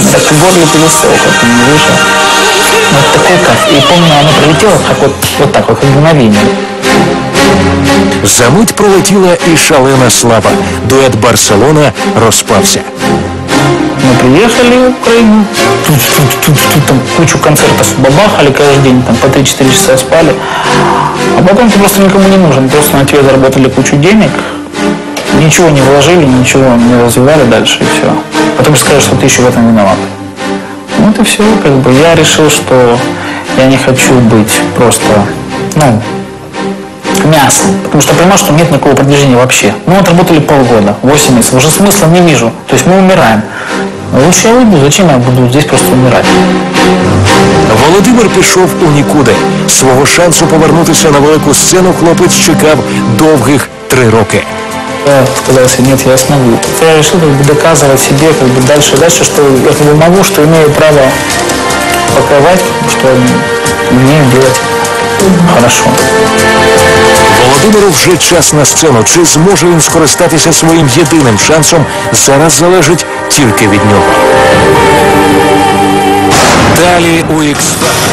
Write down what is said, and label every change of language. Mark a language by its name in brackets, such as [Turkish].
[Russian] Так горло пересело, как он не вышел. Вот такой как. І помню, оно прилетело, как вот так, как мгновение. [Ukrainian] За мить пролетіла і шалена слава. Дует «Барселона» розпався. Ми приїхали в Україну, тут там кучу концертів бабахали, кожен день там по 3-4 часа спали. А потім ти просто нікому [Russian] не нужен, [Ukrainian] просто на тебе заработали кучу денег, нічого не вложили, нічого не розвивали далі і все. Потім скажеш, що ти ще в цьому виноват. Ну це все, [Russian] как бы [Ukrainian] я вирішив, що я не хочу бути просто, ну, мясо. [Russian] Потому что понимаю, что нет никакого продвижения вообще. Мы отработали полгода, 8 месяцев, уже смысла не вижу. То есть мы умираем. Лучше я уйду, зачем я буду здесь просто умирать? [Ukrainian] Володимир пішов у нікуди. Свого шансу повернутися на велику сцену хлопець чекав довгих 3 роки. [Russian] Я сказал себе, нет, я смогу. Я решил как бы доказывать себе как бы дальше и дальше, что я как бы могу, что имею право покрывать, что умею делать хорошо. [Ukrainian] Володимиру вже час на сцену. Чи зможе він скористатися своїм єдиним шансом, зараз залежить тільки від нього. Далі у «Х-фактор».